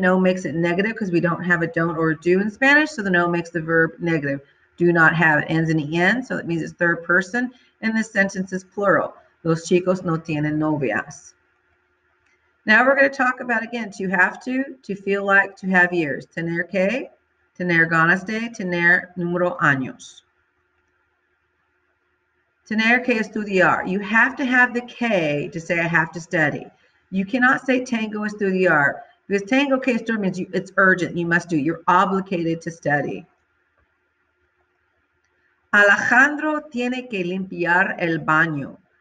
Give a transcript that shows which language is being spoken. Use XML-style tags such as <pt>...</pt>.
<en>No makes it negative because we don't have a don't or a do in Spanish. So the no makes the verb negative. Do not have. It ends in en. So that means it's third person. And this sentence is plural.</en> <es>Los chicos no tienen novias.</es> <en>Now we're going to talk about, again, to have to feel like, to have years.</en> <es>Tener que, tener ganas de, tener número años. Tener que estudiar.</es> <en>You have to have the K to say I have to study. You cannot say</en> <es>tengo estudiar</es> <en>because</en> <es>tengo que estudiar</es> <en>means it's urgent. You must do it. You're obligated to study.</en> <es>Alejandro tiene que limpiar el baño.</es>